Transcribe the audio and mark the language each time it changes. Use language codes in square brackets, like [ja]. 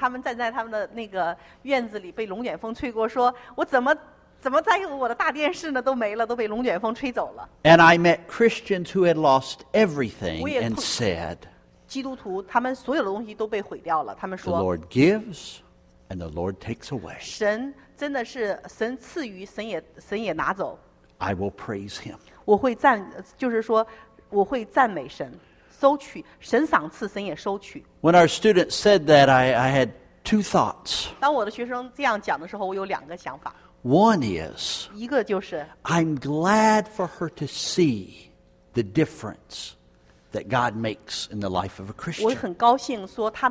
[zh] 然后我就看到一些不信主的人，他们站在他们的那个院子里被龙卷风吹过，说, 怎么再有我的大电视呢，都没了，都被龙卷风吹走了。 [en] And I met Christians who had lost everything and said, [zh] 基督徒他们所有的东西都被毁掉了，他们说, [en] The Lord gives and the Lord takes away. [zh] 真的是神赐予，神也拿走。 [en] I will praise him. [zh] 我会赞美神，收取，神赏赐，神也收取。 [en] When our students said that, I had two thoughts. [zh] 当我的学生这样讲的时候，我有两个想法。 [en] One is, [zh] 一个就是, [en] I'm glad for her to see the difference that God makes in the life of a Christian.